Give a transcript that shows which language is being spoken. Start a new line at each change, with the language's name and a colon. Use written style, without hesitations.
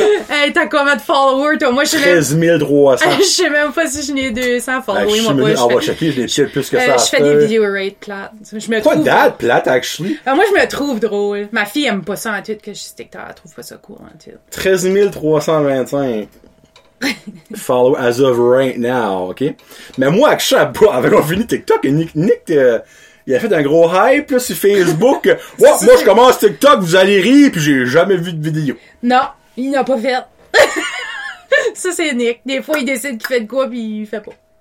French: Hey, t'as combien de followers, toi? Moi, je suis 13 300. Je sais même pas si je n'ai 200 followers. Hey, moi, je vais checker, je n'ai pas plus que ça. Je fais des video rates plates. Pas d'ad plate, actually. Moi, je me trouve drôle. Ma fille aime pas ça en tout que je suis TikTok. Elle trouve pas ça cool en tout. 13 325.
English: Follow as of right now, ok?
French: Mais moi, avec Chabou, avec un fini TikTok, Nick, il a fait un gros hype là, sur Facebook. Ouais, moi, je commence TikTok, vous allez rire, puis j'ai jamais vu de vidéo. Non, il n'a pas fait. Ça, c'est Nick. Des fois, il décide qu'il fait de quoi, puis il fait pas.